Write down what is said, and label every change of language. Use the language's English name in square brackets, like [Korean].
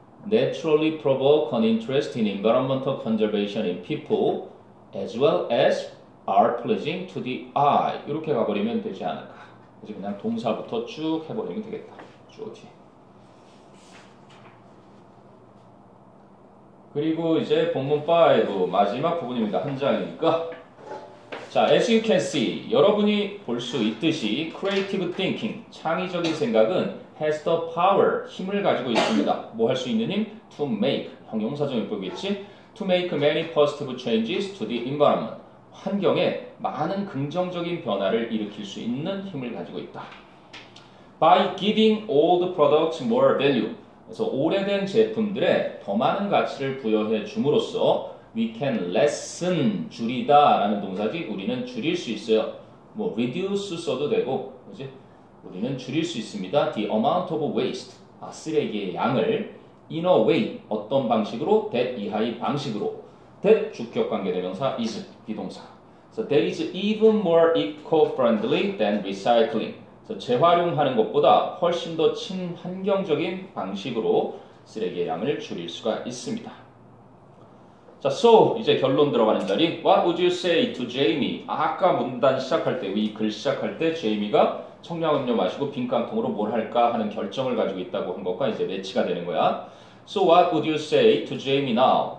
[English] Naturally provoke an interest in environmental conservation in people as well as are pleasing to the eye. [Korean] 이렇게 가버리면 되지 않을까. 이제 그냥 동사부터 쭉 해버리면 되겠다. 주어 뒤에. 그리고 이제 본문 5 마지막 부분입니다. 한 장이니까. 자, [English] as you can see, [Korean] 여러분이 볼 수 있듯이 creative thinking, 창의적인 생각은 [English] has the power, [Korean] 힘을 가지고 있습니다. 뭐 할 수 있는 힘? [English] to make, [Korean] 형용사 좀 해보겠지? [English] to make many positive changes to the environment. [Korean] 환경에 많은 긍정적인 변화를 일으킬 수 있는 힘을 가지고 있다. [English] By giving old products more value, [Korean] 그래서 오래된 제품들에 더 많은 가치를 부여해 줌으로써 [English] we can lessen, [Korean] 줄이다 라는 동사지 우리는 줄일 수 있어요. 뭐 reduce 써도 되고, 그렇지? 우리는 줄일 수 있습니다. [English] The amount of waste, [Korean] 아, 쓰레기의 양을 [English] in a way, [Korean] 어떤 방식으로? that 이하의 방식으로 that 주격관계대명사 is 비동사. [English] So that is even more eco-friendly than recycling. [Korean] So 재활용하는 것보다 훨씬 더 친환경적인 방식으로 쓰레기의 양을 줄일 수가 있습니다. 자, so 이제 결론 들어가는 자리. [English] What would you say to Jamie? [Korean] 아까 문단 시작할 때, 이 글 시작할 때 Jamie가 청량음료 마시고 빈깡통으로 뭘 할까 하는 결정을 가지고 있다고 한 것과 이제 매치가 되는 거야. [English] So what would you say to Jamie now?